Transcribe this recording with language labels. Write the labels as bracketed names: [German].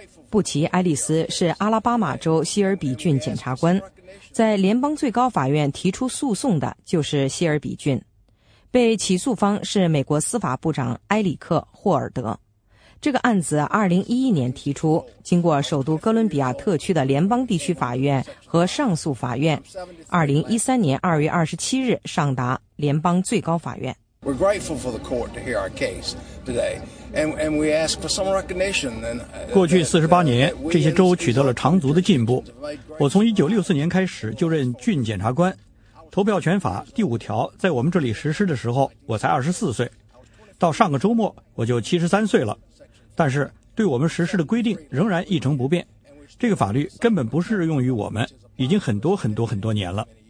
[Chinese] 布奇·埃利斯是阿拉巴马州希尔比郡检察官，在联邦最高法院提出诉讼的就是希尔比郡，被起诉方是美国司法部长埃里克·霍尔德。这个案子2011年提出，经过首都哥伦比亚特区的联邦地区法院和上诉法院，2013年2月27日上达联邦最高法院。 [English] We're grateful for the court to hear our case today, and we ask for some recognition. [Chinese] 过去48年，这些州取得了长足的进步。我从1964年开始就任郡检察官，投票权法第五条在我们这里实施的时候，我才24岁，到上个周末我就73岁了。但是对我们实施的规定仍然一成不变，这个法律根本不适用于我们，已经很多很多很多年了。